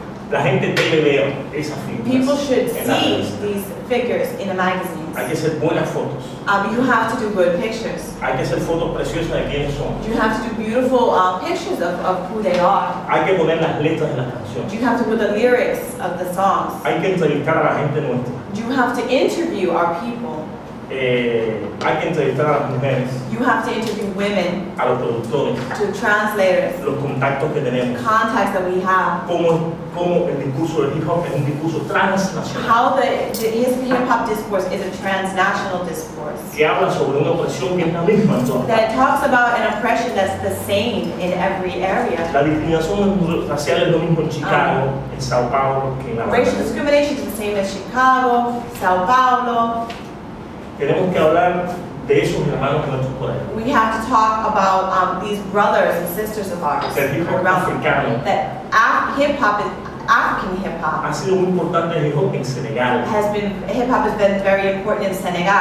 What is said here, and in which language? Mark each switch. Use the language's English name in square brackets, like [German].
[Spanish] La gente debe ver esas figuras. [English] People should see these figures in a magazine. [Spanish] Hay que hacer buenas fotos. [English] You have to do good pictures. [Spanish] Hay que hacer fotos preciosas de quiénes son. [English] You have to do beautiful pictures of who they are. [Spanish] Hay que poner las letras de las canciones. [English] You have to put the lyrics of the songs. [Spanish] Hay que entrevistar a la gente nuestra. [English] You have to interview our people. [Spanish] Hay que entrevistar a las mujeres. [English] You have to interview women. [Spanish] A los productores. [English] To translators. [Spanish] Los contactos que tenemos. [English] The contacts that we have. [Spanish] Cómo el discurso del hip hop es un discurso transnacional. [English] How the hip hop discourse is a transnational discourse. [Spanish] Que habla sobre una opresión que es la misma en todas. [English] That talks about an oppression that's the same in every area. [Spanish] La discriminación racial es lo mismo en Chicago, en Sao Paulo, que en la. [English] Racial discrimination is the same as Chicago, Sao Paulo. [Spanish] Tenemos que hablar de esos hermanos que nuestros poderes. [English] We have to talk about these brothers and sisters of ours. [Spanish] El hip hop africano. [English] Hip hop is African hip hop. [Spanish] Ha sido muy importante el hip hop en Senegal. [English] Has been hip hop has been very important in Senegal.